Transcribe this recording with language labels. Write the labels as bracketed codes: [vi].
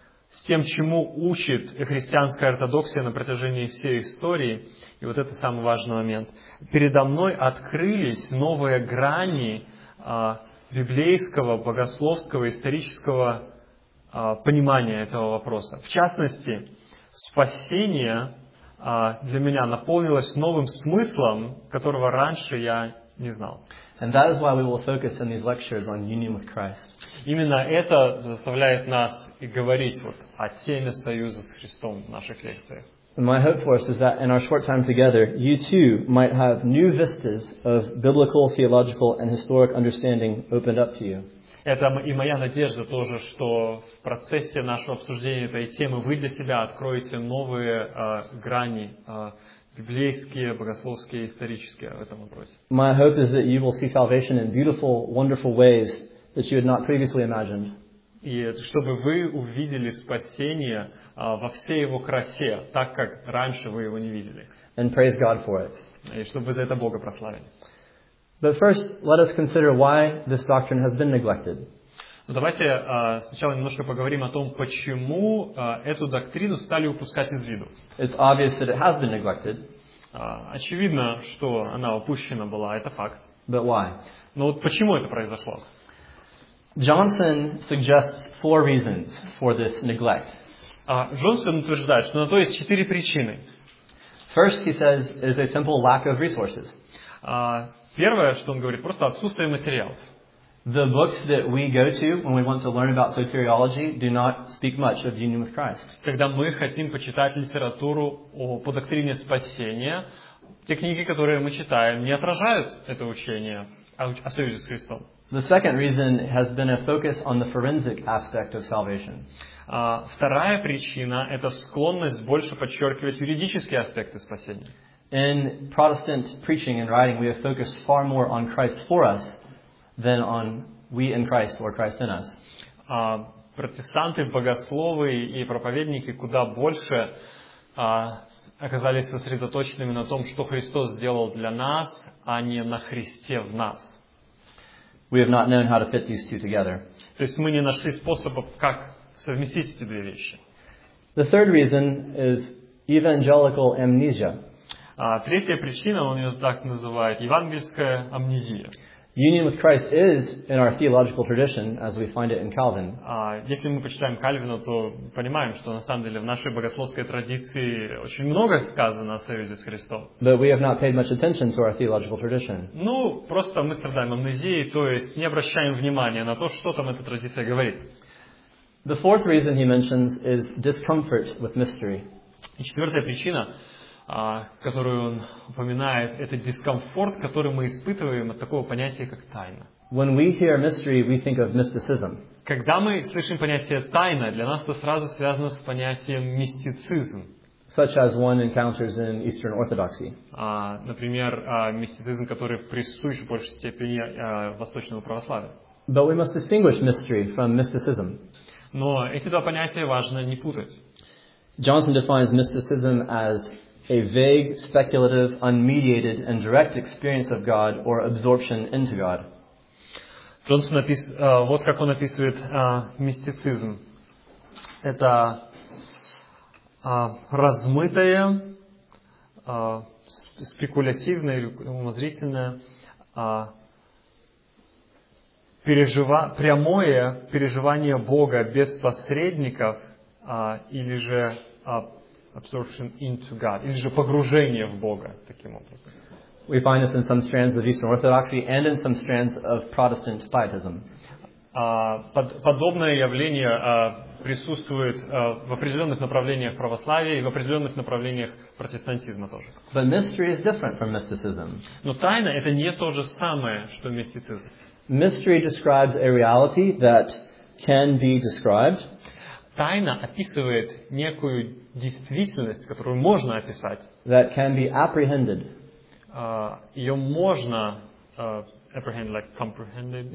[ru] с тем, чему учит христианская ортодоксия на протяжении всей истории, и вот это самый важный момент, передо мной открылись новые грани библейского, богословского, исторического понимания этого вопроса. В частности, спасение для меня наполнилось новым смыслом, которого раньше я не знал. [en] And that is why we will focus in these lectures on union with Christ. [ru] Именно это заставляет нас и говорить вот о теме союза с Христом в наших лекциях. [en] My hope for us is that in our short time together, you too might have new vistas of biblical, theological, and historic understanding opened up to you. [ru] Это и моя надежда тоже, что в процессе нашего обсуждения этой темы вы для себя откроете новые грани. Библейские, богословские, исторические в этом вопросе. [en] My hope is that you will see salvation in beautiful, wonderful ways that you had not previously imagined. [ru] И чтобы вы увидели спасение во всей его красе, так как раньше вы его не видели. [en] And praise God for it. [ru] И чтобы за это Бога прославили. [en] But first, let us consider why this doctrine has been neglected. [ru] Но давайте сначала немножко поговорим о том, почему эту доктрину стали упускать из виду. [en] It's obvious that it has been neglected. [ru] Очевидно, что она упущена была, это факт. [en] But why? [ru] Но вот почему это произошло? [en] Johnson suggests four reasons for this neglect. [ru] Джонсон утверждает, что на то есть четыре причины. [en] First, he says, is a simple lack of resources. [ru] Первое, что он говорит, просто отсутствие материалов. [en] The books that we go to when we want to learn about soteriology do not speak much of union with Christ. [ru] Когда мы хотим почитать литературу по доктрине спасения, те книги, которые мы читаем, не отражают это учение о союзе с Христом. [en] The second reason has been a focus on the forensic aspect of salvation. [ru] Вторая причина – это склонность больше подчеркивать юридические аспекты спасения. [en] In Protestant preaching and writing, we have focused far more on Christ for us than on we in Christ or Christ in us. [ru] Протестанты, богословы и проповедники куда больше оказались сосредоточенными на том, что Христос сделал для нас, а не на Христе в нас. [en] We have not known how to fit these two together. [ru] То есть мы не нашли способа, как совместить эти две вещи. [en] The third reason is evangelical amnesia. [ru] Третья причина, он ее так называет, евангельская амнезия. [en] Union with Christ is in our theological tradition, as we find it in Calvin. [ru] Если мы почитаем Кальвина, то понимаем, что на самом деле в нашей богословской традиции очень много сказано о союзе с Христом. [en] But we have not paid much attention to our theological tradition. [ru] Ну, просто мы страдаем амнезией, то есть не обращаем внимания на то, что там эта традиция говорит. [en] The fourth reason he mentions is discomfort with mystery. [ru] И четвертая причина, которую он упоминает, это дискомфорт, который мы испытываем от такого понятия, как тайна. [en] When we hear mystery, we think of mysticism. [ru] Когда мы слышим понятие тайна, для нас это сразу связано с понятием мистицизм. [en] such as one encounters in Eastern Orthodoxy. [ru] Например, мистицизм, который присущ в большей степени восточному православию. [en] But we must distinguish mystery from mysticism. [ru] Но эти два понятия важно не путать. [en] Johnson defines mysticism as a vague, speculative, unmediated, and direct experience of God or absorption into God. [ru] Джонсон вот как он описывает мистицизм. Это размытое, спекулятивное или умозрительное, прямое переживание Бога без посредников или же [en] absorption into God, [ru] или же погружение в Бога таким образом. [en] We find this in some strands of Eastern Orthodoxy and in some strands of Protestant Pietism. [ru] Подобное явление присутствует в определенных направлениях православия и в определенных направлениях протестантизма тоже. [en] But mystery is different from mysticism. [ru] Но тайна — это не то же самое, что мистицизм. [en] Mystery describes a reality that can be described. [ru] Тайна описывает некую действительность, которую можно описать. [en] That can be apprehended. [ru] Ее можно [en] apprehend, like comprehended.